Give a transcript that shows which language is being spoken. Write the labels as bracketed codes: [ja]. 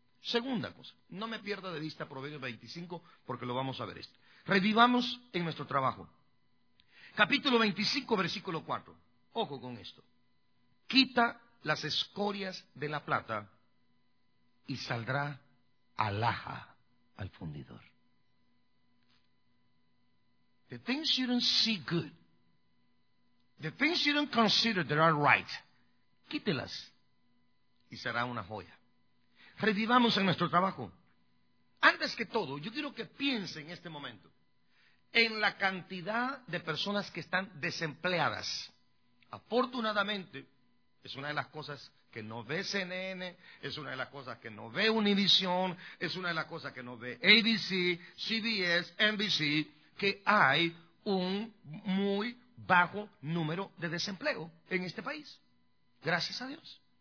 [es] Segunda cosa, no me pierda de vista Proverbios 25 porque lo vamos a ver esto. Revivamos en nuestro trabajo. Capítulo 25, versículo 4. Ojo con esto. Quita las escorias de la plata y saldrá alhaja al fundidor. [en] The things you don't see good, the things you don't consider that are right, [es] quítelas y será una joya. Revivamos en nuestro trabajo. Antes que todo, yo quiero que piense en este momento en la cantidad de personas que están desempleadas. Afortunadamente, es una de las cosas que no ve CNN, es una de las cosas que no ve Univision, es una de las cosas que no ve ABC, CBS, NBC, que hay un muy bajo número de desempleo en este país. Gracias a Dios.